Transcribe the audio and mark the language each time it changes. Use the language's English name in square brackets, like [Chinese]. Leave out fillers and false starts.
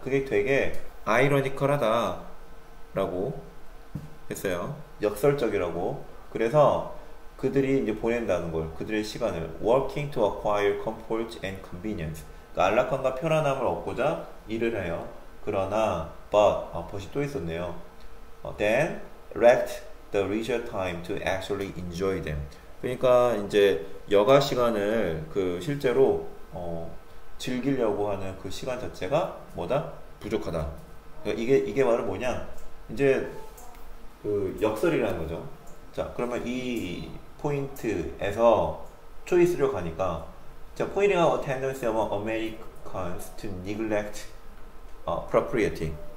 [Korean] 그게 되게 아이러니컬하다 라고 했어요. 역설적이라고. 그래서 그들이 이제 보낸다는 걸, 그들의 시간을 [English] working to acquire comfort and convenience. [Korean] 그러니까 안락함과 편안함을 얻고자 일을 해요. 그러나 but이 또 있었네요. [English] Then lacked the leisure time to actually enjoy them. [Korean] 그러니까 이제 여가 시간을 그 실제로 즐기려고 하는 그 시간 자체가 뭐다? 부족하다. 그러니까 이게 말은 뭐냐? 이제 그 역설이라는 거죠. 자, 그러면 이 포인트에서 초이스로 가니까, 자, [English] pointing out a tendency among Americans to neglect propriety.